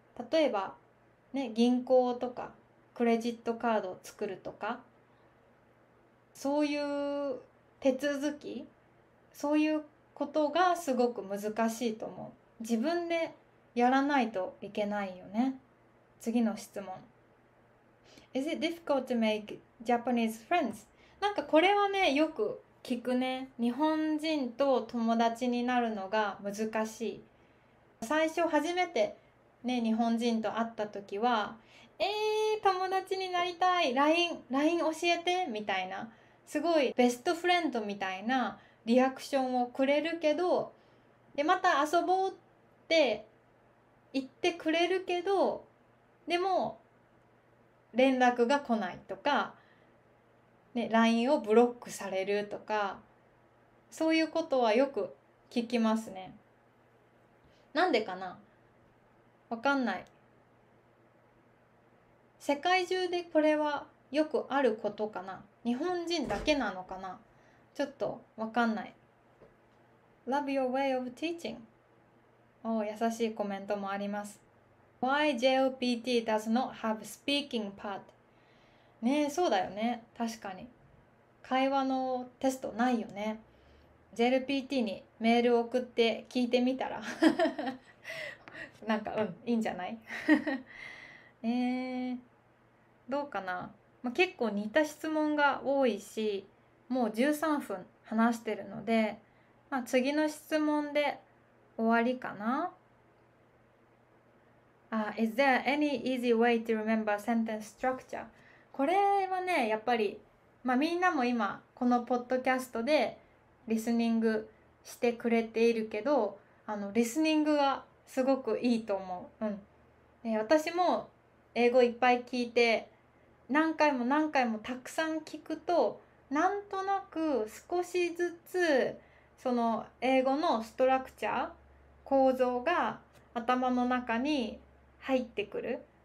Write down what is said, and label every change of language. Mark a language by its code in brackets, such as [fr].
[ja] 例えば、ね、銀行とかクレジットカードを作るとか、そういう手続き、そういうことがすごく難しいと思う。自分でやらないといけないよね。次の質問、 [en] Is it difficult to make Japanese friends? [ja] なんかこれはね、よく聞くね。日本人と友達になるのが難しい。最初初めてね、日本人と会った時は、友達になりたい、 LINE 教えてみたいなすごいベストフレンドみたいなリアクションをくれるけど、でまた遊ぼうって言ってくれるけど、でも連絡が来ないとか、ね、LINE をブロックされるとか、そういうことはよく聞きますね。なんでかな？わかんない。世界中でこれはよくあることかな？日本人だけなのかな？ちょっとわかんない。 [en] Love your way of teaching。 [ja] おー、優しいコメントもあります。 [en] Why JLPT does not have speaking part。 [ja] ねえ、そうだよね。確かに会話のテストないよね。 JLPT にメール送って聞いてみたらなんかうん、いいんじゃない？どうかな、まあ、結構似た質問が多いし、もう13分話してるので、まあ、次の質問で終わりかな。 [en] Is there any easy way to remember sentence structure? [ja] これはね、やっぱり、まあ、みんなも今このポッドキャストでリスニングしてくれているけど、リスニングがすごくいいと思う。私も英語いっぱい聞いて、何回も何回もたくさん聞くと、なんとなく少しずつその英語のストラクチャー、構造が頭の中に入ってくる。